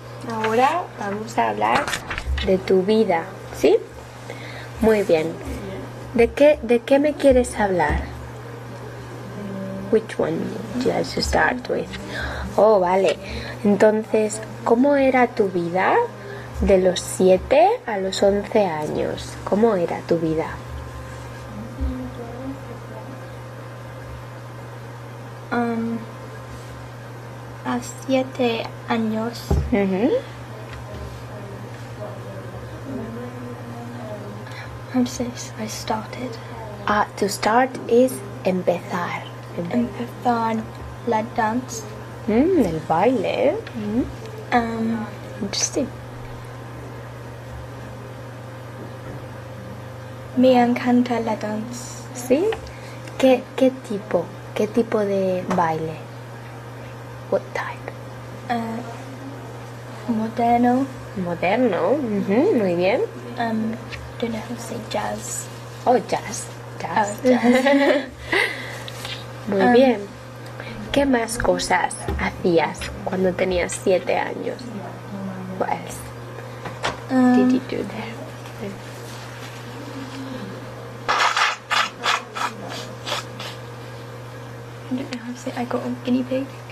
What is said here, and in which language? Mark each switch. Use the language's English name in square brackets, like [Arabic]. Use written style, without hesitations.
[Spanish] Ahora vamos a hablar de tu vida, ¿sí? Muy bien. ¿De qué me quieres hablar? [English] Which one do you have to start with? [Spanish] Oh, vale. Entonces, ¿cómo era tu vida de los 7 a los 11 años? ¿Cómo era tu vida? A 7 años. Mm-hmm. [English] I'm saying I started. To start is [Spanish] empezar. Empezar la danza. El baile. [English] Interesting. [Spanish] Me encanta la danza. ¿Sí? ¿Qué tipo? ¿Qué tipo de baile? [English] What type? [Spanish] Moderno. Moderno. Mm-hmm. Muy bien. [English] Don't know how to say jazz. Oh, jazz. Jazz. Oh, jazz. [Spanish] Muy bien. ¿Qué más cosas hacías cuando tenías 7 años? [English] What else did you do there? I don't know how to say I got a guinea pig.